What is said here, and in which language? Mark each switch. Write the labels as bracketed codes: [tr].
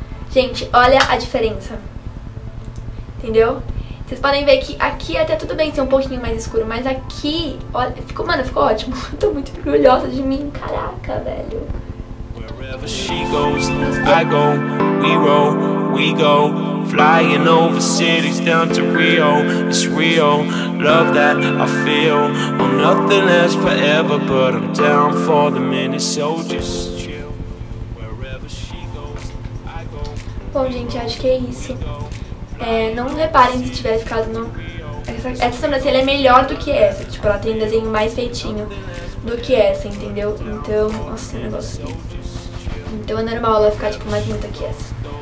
[pt] Gente, olha a diferença. Entendeu? Vocês podem ver que aqui até tudo bem ser um pouquinho mais escuro, mas aqui, olha, ficou, mano, ficou ótimo. Eu tô muito orgulhosa de mim. Caraca, velho. [en] Wherever she goes, I go, we roll, we go. Flying over cities down to Rio. It's real, love that I feel. Well, nothing lasts forever, but I'm down for the minute, so just chill. Wherever she goes, I go. [pt] Bom, gente, acho que é isso. É, não reparem se tiver ficado no... Essa sobrancelha é melhor do que essa. Tipo, ela tem um desenho mais feitinho do que essa, entendeu? Então, nossa, tem um negócio aqui. Então é normal ela ficar tipo mais bonita que essa.